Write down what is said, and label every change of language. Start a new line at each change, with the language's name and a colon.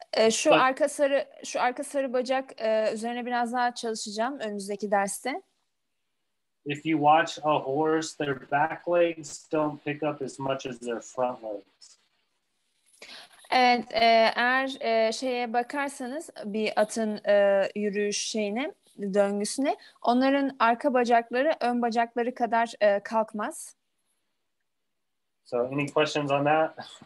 Turkish: Şu arka sarı bacak üzerine biraz daha çalışacağım önümüzdeki derste.
English: If you watch a horse, their back legs don't pick up as much as their front legs.
Turkish: Evet, eğer şeye bakarsanız bir atın yürüyüş şeyine, döngüsüne, onların arka bacakları ön bacakları kadar kalkmaz.
English: So any questions on that?